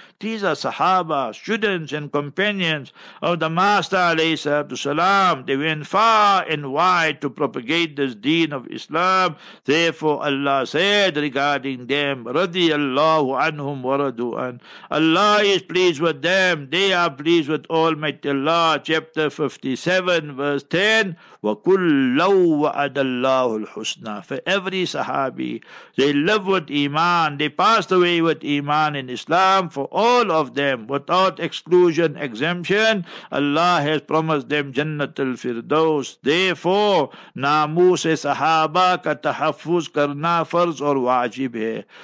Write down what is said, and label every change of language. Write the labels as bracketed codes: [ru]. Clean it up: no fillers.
[en] These are Sahaba, students and companions of the Master alayhi salatu salam. They went far and wide to propagate this deen of Islam. Therefore Allah said regarding them, radiallahu anhum waradu an, Allah is pleased with them, they are pleased with Almighty Allah. Chapter 57, verse 10, [ar] وَكُلَّوْ وَعَدَ اللَّهُ الْحُسْنَى. [en] For every Sahabi, they live with Iman, they passed away with Iman in Islam. For all of them, without exclusion, exemption, Allah has promised them Jannat al-Firdaus. Therefore, [ur] namus sahaba ka tahaffuz karna farz aur wajib hai.